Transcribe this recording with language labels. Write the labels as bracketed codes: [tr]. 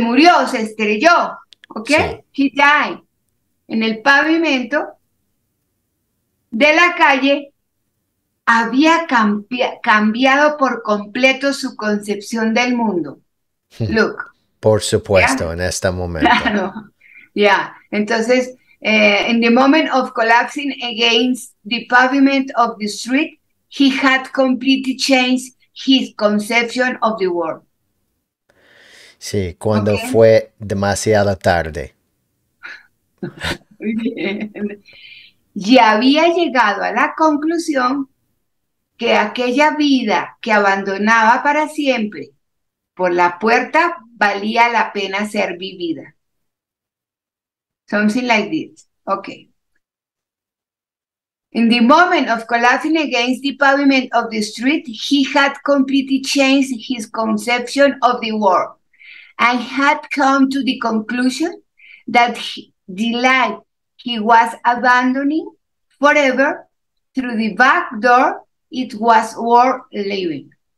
[es] murió, se estrelló, ¿ok? Sí. [en] He died. [es] En el pavimento de la calle había cambiado por completo su concepción del mundo. [en] Look, [es] Por ¿ya? supuesto, en este momento. Claro. [en] Entonces, in the moment of collapsing against the pavement of the street, he had completely changed his conception of the world. [es] Sí, ¿Ok? cuando fue demasiado tarde. Muy bien. Y había llegado a la conclusión que aquella vida que abandonaba para siempre por la puerta valía la pena ser vivida. [en] Something like this. Ok. In the moment of collapsing against the pavement of the street, he had completely changed his conception of the world and had come to the conclusion that the life he was abandoning forever through the back door, it was worth living.